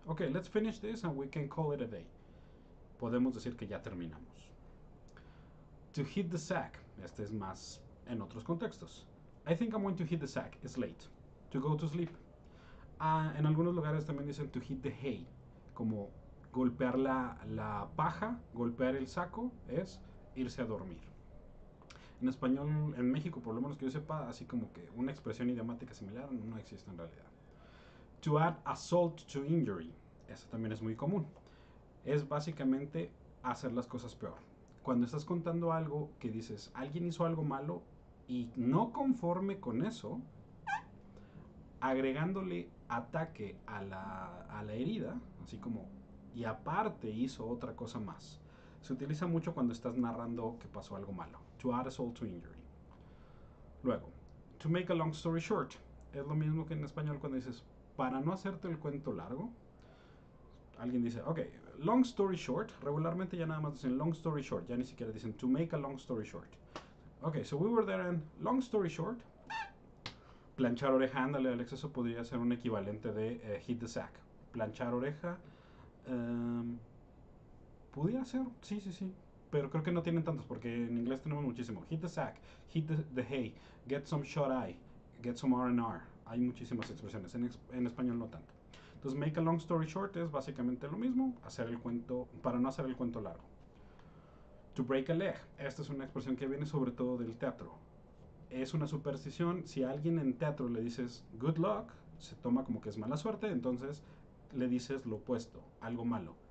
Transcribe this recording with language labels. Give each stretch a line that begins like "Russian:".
English: Ok, let's finish this and we can call it a day.
Spanish: Podemos decir que ya terminamos.
English: To hit the sack.
Spanish: Este es más en otros contextos.
English: I think I'm going to hit the sack. It's late. To go to sleep.
Spanish: Ah, en algunos lugares también dicen
English: to hit the hay.
Spanish: Como golpear la paja, golpear el saco, es irse a dormir. En español, en México, por lo menos que yo sepa, así como que una expresión idiomática similar no existe en realidad.
English: To add assault to injury.
Spanish: Eso también es muy común. Es básicamente hacer las cosas peor. Cuando estás contando algo que dices, alguien hizo algo malo y no conforme con eso, agregándole ataque a la herida, así como, y aparte hizo otra cosa más. Se utiliza mucho cuando estás narrando que pasó algo malo.
English: To add assault to injury.
Spanish: Luego,
English: to make a long story short.
Spanish: Es lo mismo que en español cuando dices, para no hacerte el cuento largo. Alguien dice,
English: ok, long story short.
Spanish: Regularmente ya nada más dicen long story short. Ya ni siquiera dicen
English: to make a long story short. Ok, so we were there and long story short.
Spanish: Planchar oreja, ándale Alex, eso podría ser un equivalente de
English: hit the sack.
Spanish: Planchar oreja. Pudiera ser, sí. Pero creo que no tienen tantos porque en inglés tenemos muchísimo.
English: Hit the sack, hit the hay, get some shut eye, get some R&R.
Spanish: Hay muchísimas expresiones, en español no tanto. Entonces, make a long story short es básicamente lo mismo, hacer el cuento, para no hacer el cuento largo.
English: To break a leg.
Spanish: Esta es una expresión que viene sobre todo del teatro. Es una superstición. Si a alguien en teatro le dices
English: good luck,
Spanish: se toma como que es mala suerte, entonces le dices lo opuesto, algo malo.